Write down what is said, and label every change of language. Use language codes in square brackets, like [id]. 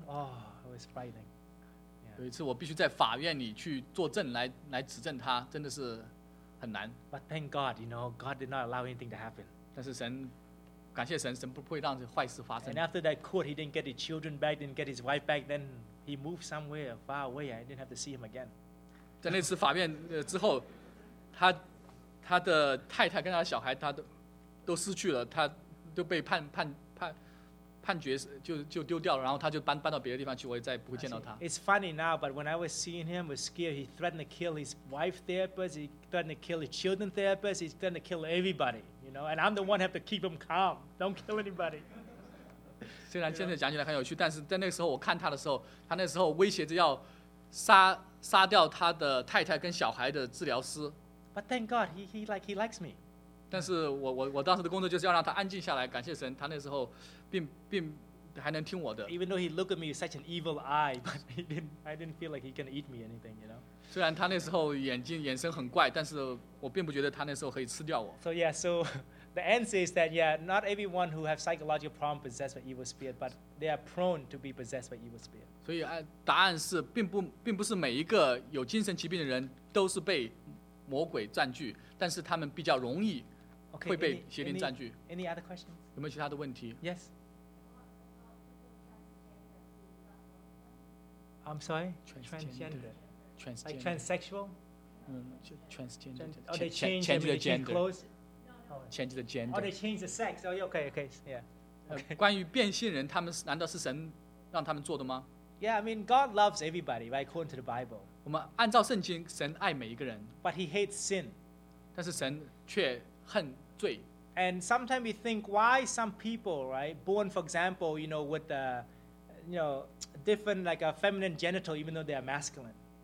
[en] Oh, it was frightening. [zh] 有一次我必须在法院里去作证来指证他，真的是。很难。 [en] But thank God, you know, God did not allow anything to happen. [zh] 但是神，感谢神，神不会让这坏事发生。 [en] And after that court, he didn't get his children back, didn't get his wife back. Then he moved somewhere far away. I didn't have to see him again. [zh] 在那次法院之后，他的太太跟他的小孩，他都失去了，他都被判决就丢掉了，然后他就搬到别的地方去，我也再不会见到他。 [en] It's funny now, but when I was seeing him, I was scared. He threatened to kill his wife therapist. He threatened to kill his children therapist. He threatened to kill everybody. You know, and I'm the one have to keep him calm. Don't kill anybody. [zh] 虽然现在讲起来很有趣，但是在那个时候我看他的时候，他那时候威胁着要杀掉他的太太跟小孩的治疗师。 [en] But thank God, he likes me. [zh] 但是我当时的工作就是要让他安静下来，感谢神，他那时候。并还能听我的。 [en] Even though he looked at me with such an evil eye, but I didn't feel like he can eat me anything, you know. [zh] 虽然他那时候眼神很怪，但是我并不觉得他那时候可以吃掉我。 [en] So yeah, so the answer is that yeah, not everyone who have psychological problem possessed by evil spirit, but they are prone to be possessed by evil spirit. [zh] 所以答案是并不是每一个有精神疾病的人都是被魔鬼占据，但是他们比较容易。 [en] Okay, [zh] 会被邪灵占据。 [en] Any other questions? [zh] 有没有其他的问题 [en] ？Yes. I'm sorry. Transgender. Like transsexual. Transgender. Or they change the gender. Change the sex. Oh, okay, okay, yeah. Okay. [zh] 关于变性人，他们难道是神让他们做的吗 [en] ？Yeah, I mean, God loves everybody, right? According to the Bible. [zh] 我们按照圣经，神爱每一个人。 [en] But He hates sin. [zh] 但是神却恨。 [en] And sometimes we think why some people, right, born, for example, you know, with a, you know, different like a feminine genital, even though they are masculine.